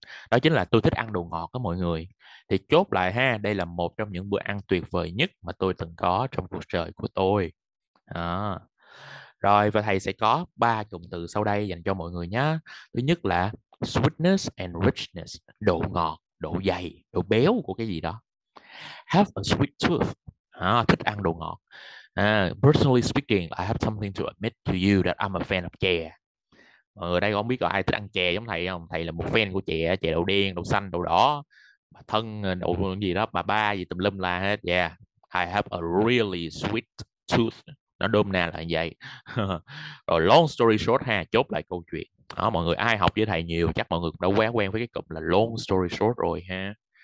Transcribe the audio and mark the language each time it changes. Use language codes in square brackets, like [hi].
[vi] Đó chính là tôi thích ăn đồ ngọt đó mọi người. Thì chốt lại ha, đây là một trong những bữa ăn tuyệt vời nhất mà tôi từng có trong cuộc đời của tôi. Đó. Rồi và thầy sẽ có ba cụm từ sau đây dành cho mọi người nhé. Thứ nhất là [en] sweetness and richness, [vi] độ ngọt, độ dày, độ béo của cái gì đó. [en] Have a sweet tooth. [vi] À, thích ăn đồ ngọt. [en] À, personally speaking, I have something to admit to you that I'm a fan of chè. [vi] Mọi người đây không biết có ai thích ăn chè giống thầy không? Thầy là một fan của chè, chè đậu đen, đậu xanh, đậu đỏ, bà thân đậu gì đó, bà ba gì tùm lum la hết. [en] Yeah, I have a really sweet tooth. [vi] Nó đôm na là như vậy. Rồi [en] long story short [vi] ha, chốt lại câu chuyện. Đó, mọi người ai học với thầy nhiều chắc mọi người cũng đã quá quen với cái cụm là long story short rồi ha.